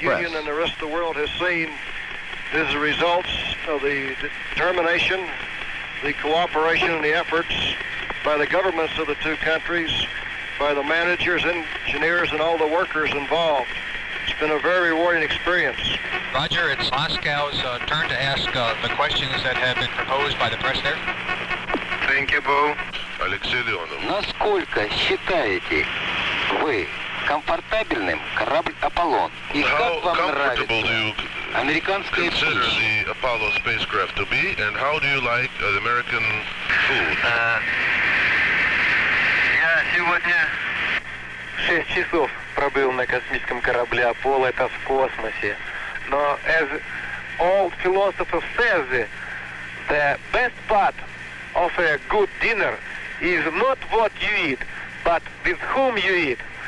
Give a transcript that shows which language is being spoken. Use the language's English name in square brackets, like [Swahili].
[English] The Soviet Union and the rest of the world has seen the results of the determination, the cooperation, and the efforts by the governments of the two countries, by the managers, engineers, and all the workers involved. It's been a very rewarding experience. Roger, it's Moscow's turn to ask the questions that have been proposed by the press there. Thank you, Bo. [Russian] Алексей Леонов. Насколько считаете вы комфортабельным корабль Аполлон? И как вам нравится американское [English] food? How comfortable do you consider the Apollo spacecraft to be, and how do you like the American food? [Russian] Я сегодня 6 часов пробыл на космическом корабле Аполло, это в космосе. Но [English] as all philosophers says, the best part of a good dinner is not what you eat, but with whom you eat.